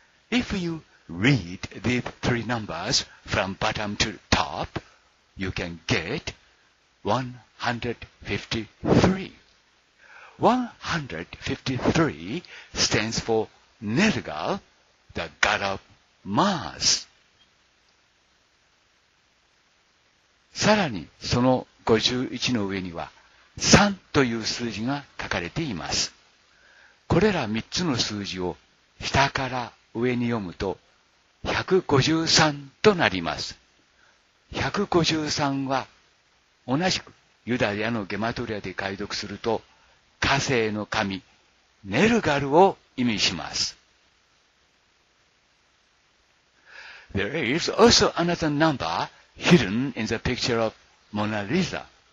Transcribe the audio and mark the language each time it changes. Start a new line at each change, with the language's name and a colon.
English: If you read the three numbers from bottom to top, you can get 153. 153 stands for Nergal, the god of Mars.
Japanese: さらにその51の上には3という数字が書かれています。これら3つの数字を下から上に読むと153となります。 153は同じくユダヤのゲマトリアで解読すると火星の神ネルガルを意味します。
English: There is also another number hidden in the picture of Mona Lisa.